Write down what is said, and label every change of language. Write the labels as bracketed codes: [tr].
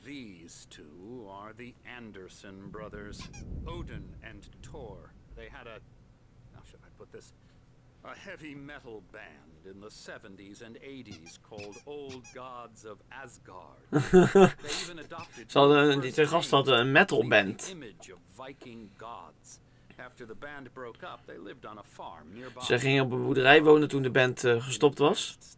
[en] These two are the Anderson brothers, Odin and Thor. They had a, how should I put this, a heavy metal band in the 70s and 80s called Old Gods of Asgard. [nl] Ze hadden, die twee gasten hadden een metal band. [en] Image of Viking gods. After the band broke up, they lived on a farm nearby. [nl] Ze gingen op een boerderij wonen toen de band gestopt was.